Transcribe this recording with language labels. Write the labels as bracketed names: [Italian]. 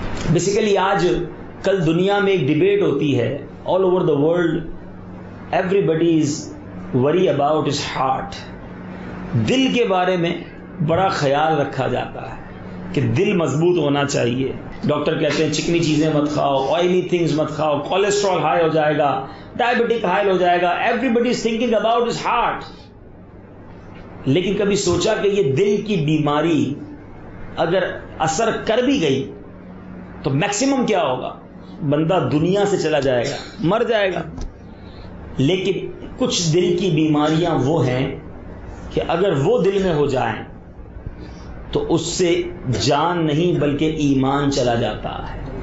[Urdu] Basically آج کل دنیا میں ایک ڈبیٹ ہوتی ہے, [English] All over the world everybody is worry about his heart. [Urdu] دل کے بارے میں بڑا خیال رکھا جاتا ہے کہ دل مضبوط ہونا چاہیے. ڈاکٹر کہتے ہیں چکنی چیزیں مت کھاؤ, آئلی تھنگز مت کھاؤ, کولیسٹرول ہائی ہو جائے گا, ڈائبٹک ہائی ہو جائے گا. [English] Everybody is thinking about his heart. [Urdu] لیکن کبھی سوچا کہ یہ دل کی بیماری اگر اثر کر بھی گئی تو میکسیمم کیا ہوگا؟ بندہ دنیا سے چلا جائے گا, مر جائے گا. لیکن کچھ دل کی بیماریاں وہ ہیں کہ اگر وہ دل میں ہو جائیں تو اس سے جان نہیں بلکہ ایمان چلا جاتا ہے.